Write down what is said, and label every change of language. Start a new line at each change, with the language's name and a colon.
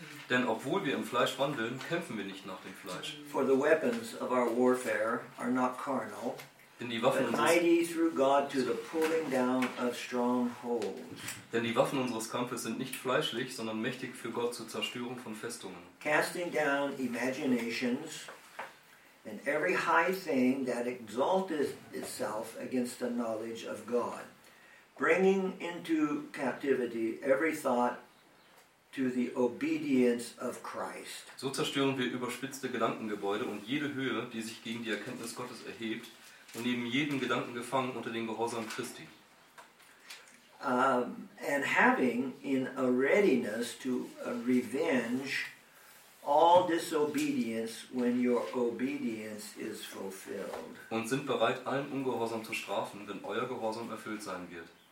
German: Denn obwohl wir im Fleisch wandeln, kämpfen wir nicht nach dem Fleisch.
English: For the weapons of our warfare are not carnal,
German: denn die Waffen unseres Kampfes sind nicht fleischlich, sondern mächtig für Gott zur Zerstörung von Festungen.
English: Casting down imaginations and every high thing that exalteth itself against the knowledge of God, bringing into captivity every thought to the obedience of Christ.
German: So zerstören wir überspitzte Gedankengebäude und jede Höhe, die sich gegen die Erkenntnis Gottes erhebt, und nehmen jeden Gedanken gefangen unter den Gehorsam Christi.
English: And having in a readiness to revenge all disobedience when your obedience is fulfilled.
German: Und sind bereit, allen Ungehorsam zu strafen, wenn euer Gehorsam erfüllt sein wird.